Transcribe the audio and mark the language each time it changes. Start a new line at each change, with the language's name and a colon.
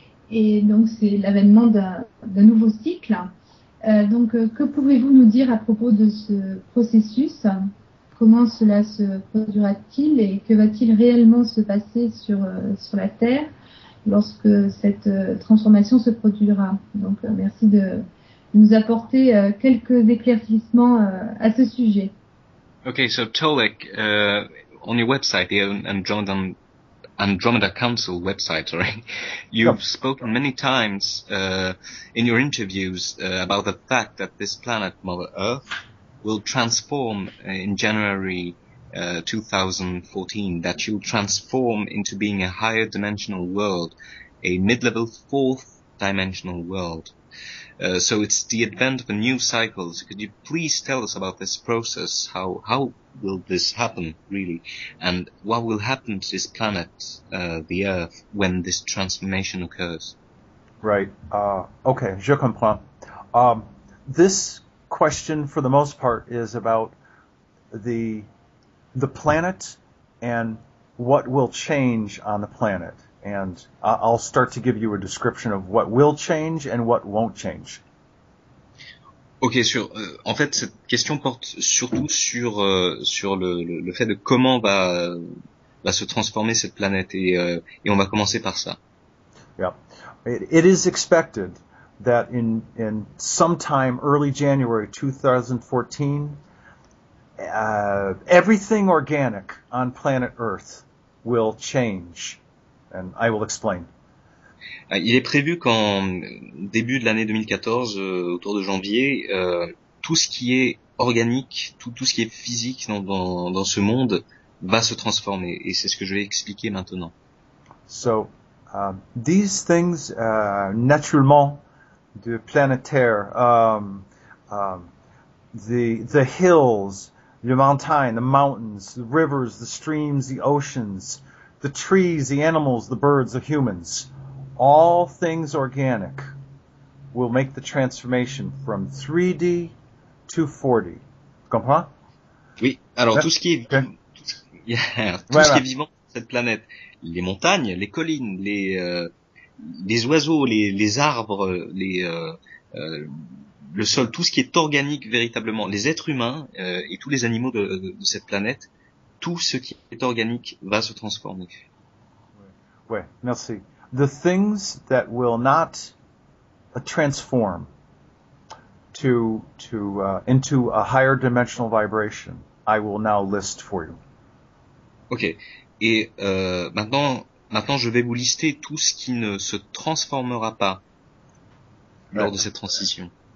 French: Et donc, c'est l'avènement d'un nouveau cycle. Que pouvez-vous nous dire à propos de ce processus? Comment cela se produira-t-il et que va-t-il réellement se passer sur la Terre lorsque cette transformation se produira? Donc, merci de nous apporter quelques éclaircissements à ce sujet.
English: Okay, so Tolik, on your website, the Andromeda Council website, sorry, you've yep. spoken many times in your interviews about the fact that this planet, Mother Earth, will transform in January 2014, that you'll transform into being a higher dimensional world, a mid-level fourth dimensional world. So it's the advent of a new cycle. So could you please tell us about this process? How will this happen, really? And what will happen to this planet, the Earth, when this transformation occurs?
French: Right. Okay, je comprends.
English: This question, for the most part, is about the planet and what will change on the planet. And I'll start to give you a description of what will change and what won't change.
French: Ok, en fait, cette question porte surtout sur le fait de comment va va se transformer cette planète et on va commencer par ça.
English: Yeah. It is expected that in sometime early January 2014, everything organic on planet Earth will change. And I will explain.
French: Il est prévu qu'en début de l'année 2014, autour de janvier, tout ce qui est organique, tout ce qui est physique dans ce monde va se transformer. Et c'est ce que je vais expliquer maintenant.
English: So, these things, naturellement, the planet Terre, the hills, the mountains, the rivers, the streams, the oceans, the trees, the animals, the birds, the humans, all things organic will make the transformation from 3D to 4D.
French: Comprends? Oui, alors tout ce qui est vivant, ce qui est vivant sur cette planète, les montagnes, les collines, les oiseaux, les arbres, le sol, tout ce qui est organique véritablement, les êtres humains et tous les animaux de cette planète, tout ce qui est organique va se transformer. Ouais, merci.
English: The things that will not transform into a higher dimensional vibration, I will now list for you. Ok.
French: Et maintenant, je vais vous lister tout ce qui ne se transformera pas lors de cette transition.